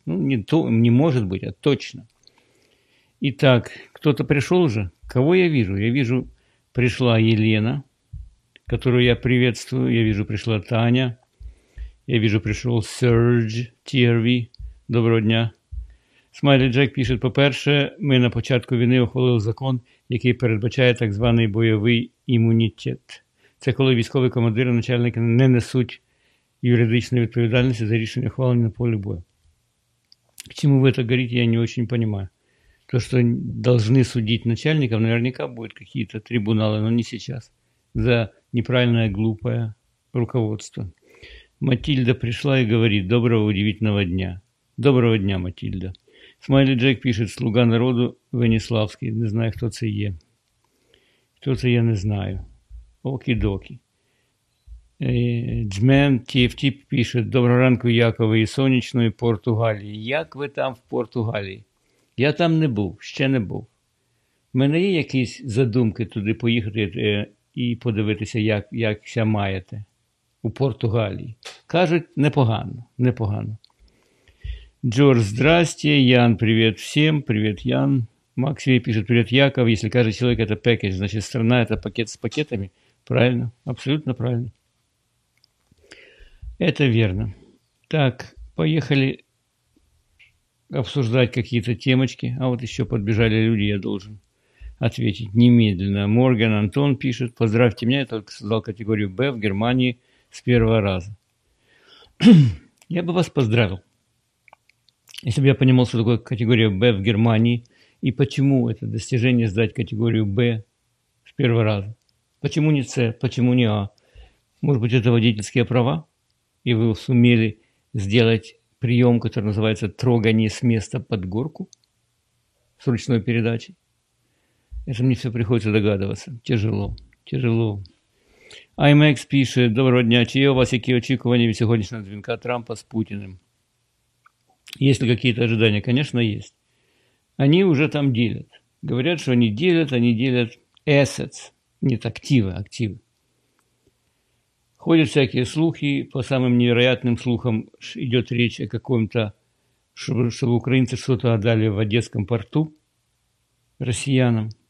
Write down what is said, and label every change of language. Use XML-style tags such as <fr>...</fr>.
<ru>Ну, не то, не может быть, а точно. Итак, кто-то пришел уже? Кого я вижу? Я вижу, пришла Елена, которую я приветствую. Я вижу, пришла Таня. Я вижу, пришел Серж Тирви.</ru> <uk>Доброго дня. Смайли Джек пишет: по-перше, ми на початку війни ухвалили закон, який передбачає так званий бойовий імунітет. Це коли військові командири, начальники не несуть юридичної відповідальності за рішення ухвалення на полі бою.</uk> <ru>К чому ви так говорите, я не очень понимаю. То, що должны судить начальников, наверняка будуть какие-то трибуналы, но не сейчас. За неправильное, глупое руководство. Матильда пришла и говорит: доброго удивительного дня. Доброго дня, Матильда.</ru> <uk>Смайли Джек пишет: слуга народу Веніславський. Не знаю, хто це є. Хто це є, не знаю. Окі-докі. Джмен ТФТ пише: доброго ранку, Якове, і сонячної Португалії. Як ви там в Португалії? Я там не був, ще не був. У мене є якісь задумки туди поїхати і подивитися, як ще маєте у Португалії? Кажуть, непогано, непогано. Джордж, здрасте. Ян, привіт всім. Привіт, Ян. Максим пише: привіт, Яков. Якщо каже чоловік, це пакет, значить, страна – це пакет з пакетами. Правильно, абсолютно правильно.</uk> <ru>Это верно. Так, поехали обсуждать какие-то темочки. А вот еще подбежали люди, я должен ответить немедленно. Морган Антон пишет: поздравьте меня, я только создал категорию Б в Германии с первого раза. Я бы вас поздравил, если бы я понимал, что такое категория Б в Германии и почему это достижение сдать категорию Б с первого раза. Почему не С, почему не А? Может быть, это водительские права? И вы сумели сделать прием, который называется трогание с места под горку с ручной передачей? Это мне все приходится догадываться. Тяжело, тяжело. IMAX пишет: доброго дня.</ru> <uk>Чи є у вас які очікування від сьогоднішнього дзвінка Трампа з Путіним?</uk> <ru>Есть ли какие-то ожидания? Конечно, есть. Они уже там делят. Говорят, что они делят assets. Нет, активы, активы. Ходят всякие слухи, по самым невероятным слухам идет речь о каком-то, чтобы украинцы что-то отдали в Одесском порту россиянам.</ru>